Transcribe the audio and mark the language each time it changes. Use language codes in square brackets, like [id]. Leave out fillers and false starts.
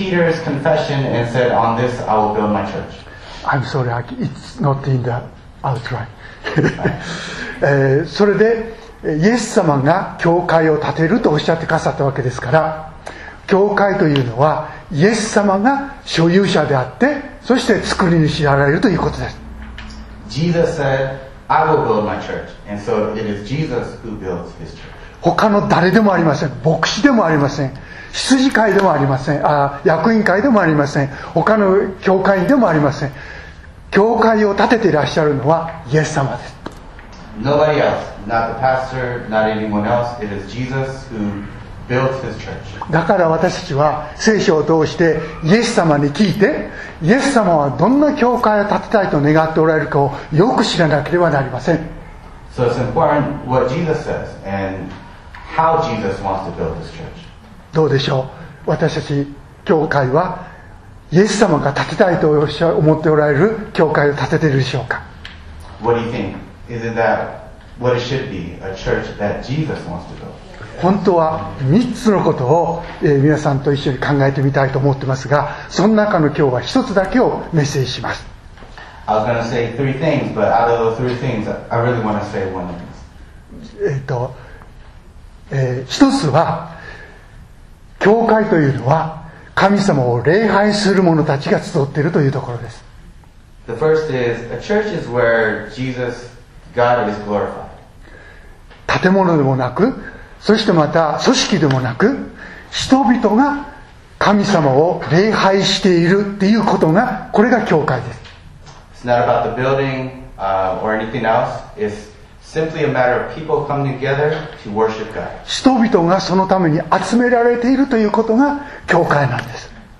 [en] Peter's confession and said, "On this I will build my church." I'm sorry, it's not in the outline. [ja] それでイエス様が教会を建てるとおっしゃってくださったわけですから、教会というのはイエス様が所有者であって、そして作り主であられるということです。 [en] Jesus said, "I will build my church." And so it is Jesus who builds his church. [ja] 他の誰でもありません。牧師でもありません。羊飼いでもありません。役員会でもありません。他の教会員でもありません。教会を建てていらっしゃるのはイエス様です。 [en] Nobody else, not the pastor, not anyone else. It is Jesus who built his church. [ja] だから私たちは聖書を通してイエス様に聞いて、イエス様はどんな教会を建てたいと願っておられるかをよく知らなければなりません。 [en] So it's important what Jesus says and how Jesus wants to build his church. [ja] どうでしょう。私たち教会はイエス様が建てたいと思っておられる教会を建てているでしょうか。 [en] What do you think? Isn't that what it should be, a church that Jesus wants to build? [ja] 本当は3つのことを、皆さんと一緒に考えてみたいと思ってますが、その中の今日は1つだけをメッセージします。 [en] I was going to say three things, but out of those three things, I really want to say one of these. [ja] 1つは、教会というのは神様を礼拝する者たちが集っているというところです。 [en] The first is, a church is where JesusGod is glorified. [ja] 建物でもなく、そしてまた組織でもなく、人々が神様を礼拝しているっていうことが、これが教会です。 [en] It's not about the building, or anything else. It's simply a matter of people coming together to worship God. [ja] 人々がそのために集められているということが教会なんです。